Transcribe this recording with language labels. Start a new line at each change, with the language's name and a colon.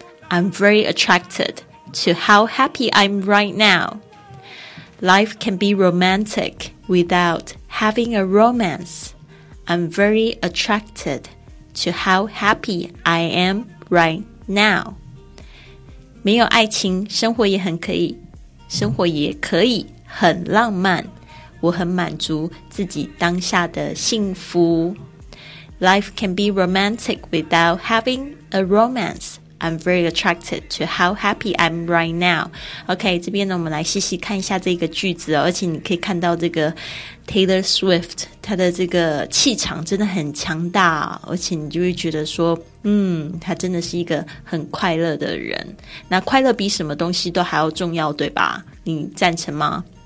English: I'm very attracted to how happy I'm right now. Life can be romantic without having a romance. I'm very attracted to how happy I am right now.
Chinese: 没有爱情，生活也很可以，生活也可以很浪漫。我很满足自己当下的幸福。
English: Life can be romantic without having a romance. I'm very attracted to how happy I'm right now.
Chinese: OK, 这边呢我们来细细看一下这个句子哦，而且你可以看到这个 Taylor Swift, 她的这个气场真的很强大、哦、而且你就会觉得说她真的是一个很快乐的人。那快乐比什么东西都还要重要，对吧？你赞成吗？